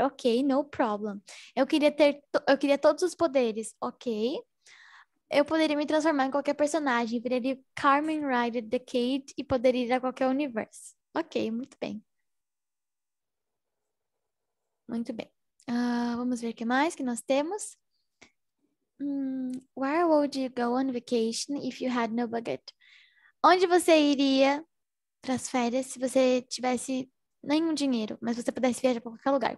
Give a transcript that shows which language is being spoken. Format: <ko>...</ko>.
<en>Ok, no problem.</en> <pt>Eu queria todos os poderes, ok. Eu poderia me transformar em qualquer personagem, viraria Carmen Rider the Kid e poderia ir a qualquer universo. Ok, muito bem. Muito bem. Vamos ver o que mais que nós temos.</pt> <en>Where would you go on vacation if you had no budget?</en> <pt>Onde você iria para as férias se você tivesse nenhum dinheiro, mas você pudesse viajar para qualquer lugar?</pt>